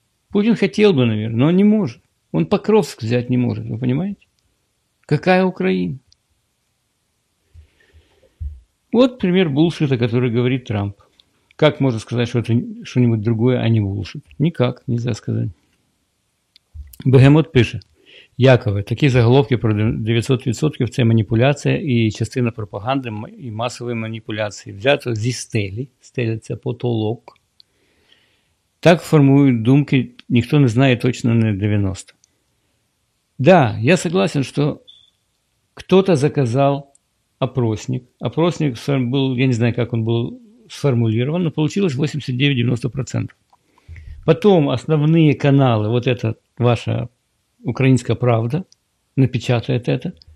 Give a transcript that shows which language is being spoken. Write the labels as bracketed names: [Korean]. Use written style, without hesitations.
[Russian] Путин хотел бы, наверное, но он не может. Он Покровск взять не может, вы понимаете? Какая Украина? Вот пример булшита, который говорит Трамп. Как можно сказать, что это что-нибудь другое, а не булшит? Никак, нельзя сказать. Бегемот пишет: [Ukrainian] Якове, такі заголовки про 900% – це маніпуляція і частина пропаганди і масової маніпуляції. Взято зі стелі. Стеля – це потолок. Так формують думки, ніхто не знає точно, не 90. [Russian] Да, я согласен, що кто-то заказал опросник. Опросник был, я не знаю, как он был сформулирован, но получилось 89-90%. Потом основные каналы, вот эта ваша «Украинская правда» напечатает это.